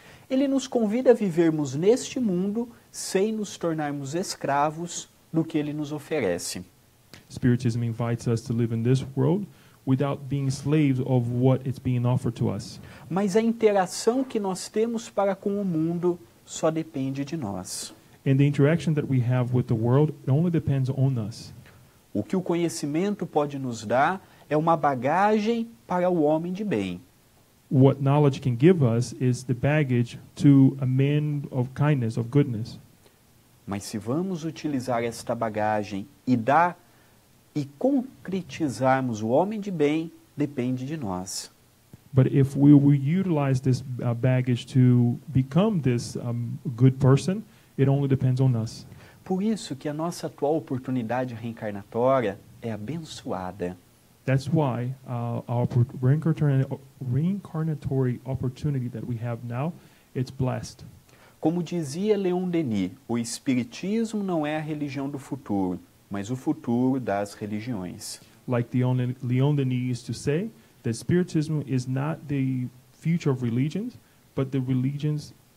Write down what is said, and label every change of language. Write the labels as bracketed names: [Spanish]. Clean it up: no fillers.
[Portuguese] Ele nos convida a vivermos neste mundo sem nos tornarmos escravos do que ele nos oferece. [English] Spiritism invites us to live in this world without being slaves of what it's being offered to us. [Portuguese] Mas a interação que nós temos para com o mundo só depende de nós. [English] And the interaction that we have with the world only depends on us. [Portuguese] O que o conhecimento pode nos dar é uma bagagem para o homem de bem. [English] What knowledge can give us is the baggage to a man of kindness, of goodness. [Portuguese] Mas se vamos utilizar esta bagagem e dar e concretizarmos o homem de bem, depende de nós. [English] But if we will utilize this baggage to become this good person, it only depends on us. [Portuguese] Por isso que a nossa atual oportunidade reencarnatória é abençoada. [English] That's why our reincarnatory opportunity that we have now, it's blessed. [Portuguese] Como dizia Leon Denis, o Espiritismo não é a religião do futuro, mas o futuro das religiões. [English] Like Leon Denis used to say, that Spiritism is not the future of religions, but the religions...